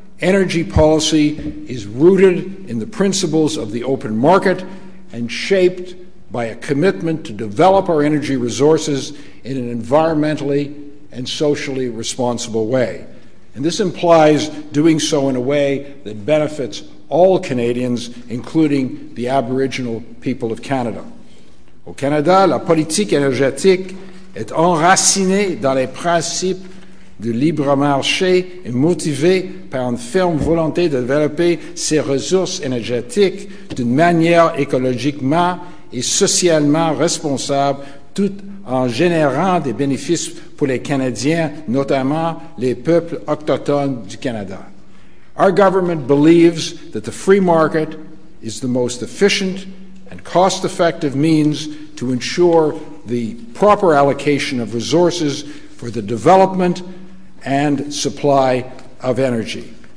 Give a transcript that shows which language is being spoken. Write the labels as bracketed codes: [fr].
[en] energy policy is rooted in the principles of the open market and shaped by a commitment to develop our energy resources in an environmentally and socially responsible way. And this implies doing so in a way that benefits all Canadians, including the Aboriginal people of Canada. [fr] Au Canada, la politique énergétique est enracinée dans les principes du libre marché et motivée par une ferme volonté de développer ses ressources énergétiques d'une manière écologiquement et socialement responsable, tout en générant des bénéfices pour les Canadiens, notamment les peuples autochtones du Canada. [en] Our government believes that the free market is the most efficient and cost-effective means to ensure the proper allocation of resources for the development and supply of energy.